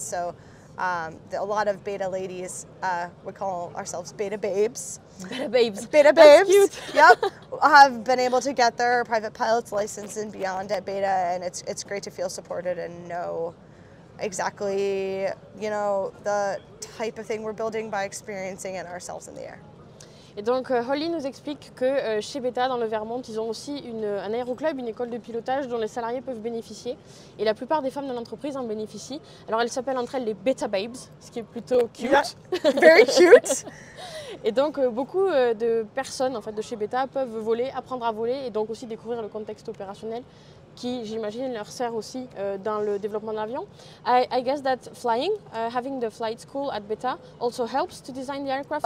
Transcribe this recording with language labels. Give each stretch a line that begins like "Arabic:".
English: So a lot of Beta ladies, we call ourselves Beta Babes. Beta Babes. Beta Babes. That's cute. Yep. Have been able to get their private pilot's license and beyond at Beta. And it's great to feel supported and know exactly, the type of thing we're building by experiencing it ourselves in the air.
French: Et donc Holly nous explique que chez Beta, dans le Vermont, ils ont aussi un aéroclub, une école de pilotage dont les salariés peuvent bénéficier. Et la plupart des femmes de l'entreprise en bénéficient. Alors elles s'appellent entre elles les Beta Babes, ce qui est plutôt cute.
English: Yeah. Very cute.
French: Et donc beaucoup de personnes en fait, de chez Beta peuvent voler, apprendre à voler et donc aussi découvrir le contexte opérationnel qui, j'imagine, leur sert aussi dans le développement de l'avion.
English: I guess that flying, having the flight school at Beta, also helps to design the aircraft.